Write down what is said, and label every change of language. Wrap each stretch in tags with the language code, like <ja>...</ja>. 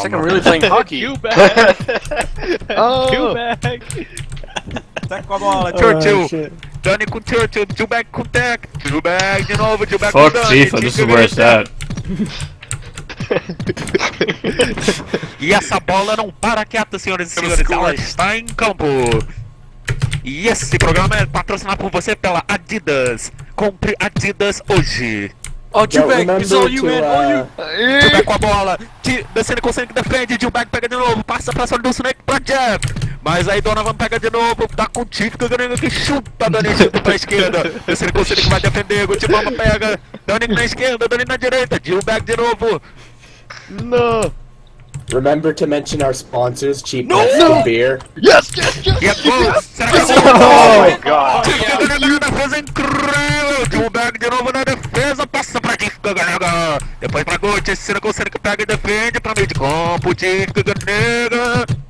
<en>Second really playing hockey! Jubag! Jubag!</en> <pt>Tá com a bola, Churchill! Dani com Churchill, Jubag com Tech! Jubag de novo, Jubag com Dani!</pt> <en>Fuck FIFA, this is where it's at!</en> <pt>E essa bola não para quieta, senhoras e senhores, ela está em campo! E esse programa é patrocinado por você pela Adidas. Compre Adidas hoje.</pt> <en>Oh, Jubag, it's all you, man, all you.</en> <pt>Jubag com a bola. Descendo com o Snake, defende. Jubag pega de novo. Passa pra sorte do Snake pra Jeff. Mas aí Donovan pega de novo. Tá com o Chief Ganega que chuta. Dani chuta pra esquerda. Descendo com o Snake vai defender. Gucci Mama pega. Dani na esquerda, Dani na direita. Jubag de novo. Não.</pt> <en>Remember to mention our sponsors, Cheap Pets no, no. Beer. Yes! Oh my god!</en> <pt>Chief Gaganaga na defesa incrível! Jubag de novo na defesa, passa pra Chief Gaganaga! Depois pra Gucci, Sina Gonçalves que pega e defende pra meio de campo, Chief Gaganaga!</pt>